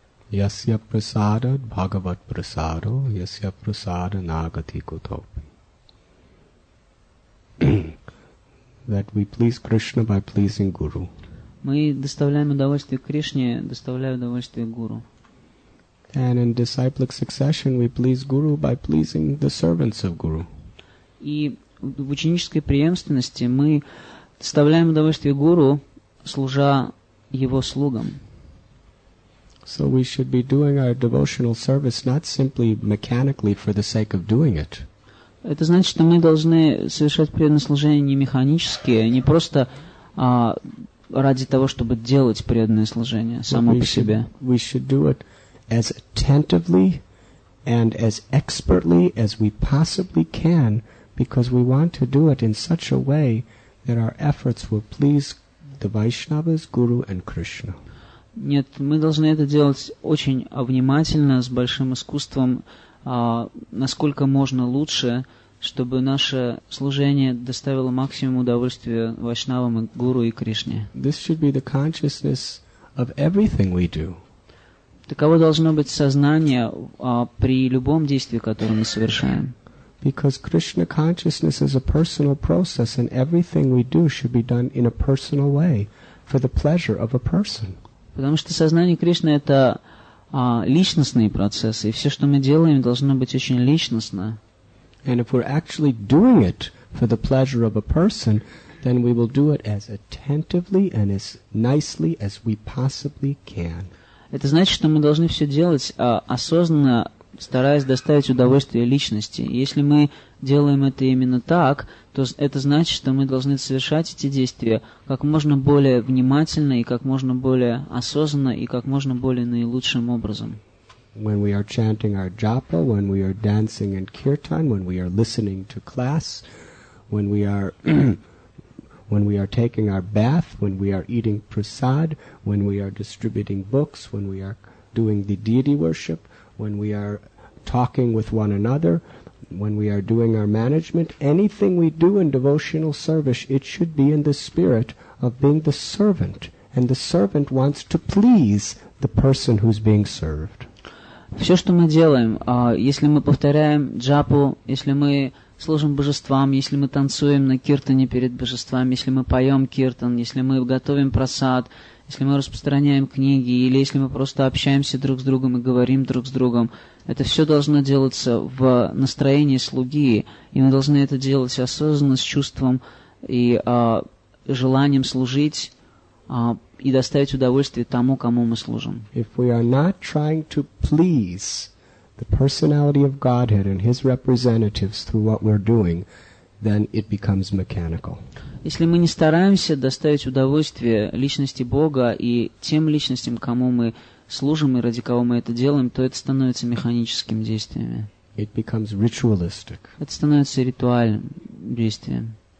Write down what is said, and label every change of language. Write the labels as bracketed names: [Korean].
[Sanskrit] Yasya prasada bhagavat prasado, yasya prasada nagati kutopi. [English] That we please Krishna by pleasing Guru. [Russian] Мы доставляем удовольствие Кришне, доставляя удовольствие Гуру. [English] And in disciplic succession, we please Guru by pleasing the servants of Guru. [Russian] И в ученической преемственности мы доставляем удовольствие Гуру, служа его слугам. [English] So we should be doing our devotional service not simply mechanically for the sake of doing it. [Russian] Это значит, что мы должны совершать преданное служение не механически, не просто ради того, чтобы делать преданное служение само по себе. [English] We should do it as attentively and as expertly as we possibly can, because we want to do it in such a way that our efforts will please the Vaishnavas, Guru and Krishna. [Russian] Нет, мы должны это делать очень внимательно, с большим искусством, насколько можно лучше, чтобы наше служение доставило максимум удовольствия Вайшнавам, Гуру и Кришне. [English] This should be the consciousness of everything we do. [Russian] Таково должно быть сознание при любом действии, которое мы совершаем. [English] Because Krishna consciousness is a personal process, and everything we do should be done in a personal way, for the pleasure of a person. [Russian] Потому что сознание Кришны — это личностные процессы, и все, что мы делаем, должно быть очень личностно. [English] And if we're actually doing it for the pleasure of a person, then we will do it as attentively and as nicely as we possibly can. [Russian] Это значит, что мы должны все делать осознанно, стараясь доставить удовольствие личности. Если мы делаем это именно так, то это значит, что мы должны совершать эти действия как можно более внимательно и как можно более осознанно и как можно более наилучшим образом. [English] When we are chanting our japa, when we are dancing in kirtan, when we are listening to class, when we are when we are taking our bath, when we are eating prasad, when we are distributing books, when we are doing the deity worship, when we are talking with one another, when we are doing our management, anything we do in devotional service, it should be in the spirit of being the servant. And the servant wants to please the person who's being served. [Russian] Все, что мы делаем, если мы повторяем джапу, если мы служим божествам, если мы танцуем на киртане перед божествами, если мы поем киртан, если мы готовим прасад, если мы распространяем книги, или если мы просто общаемся друг с другом и говорим друг с другом, это все должно делаться в настроении слуги, и мы должны это делать осознанно, с чувством и желанием служить и доставить удовольствие тому, кому мы служим. [English] If we are not trying to please the personality of Godhead and his representatives through what we're doing, then it becomes mechanical. [Russian] Если мы не стараемся доставить удовольствие личности Бога и тем личностям, кому мы служим и ради кого мы это делаем, то это становится механическим действием. [English] It becomes ritualistic. [Russian] Это становится ритуальным действием.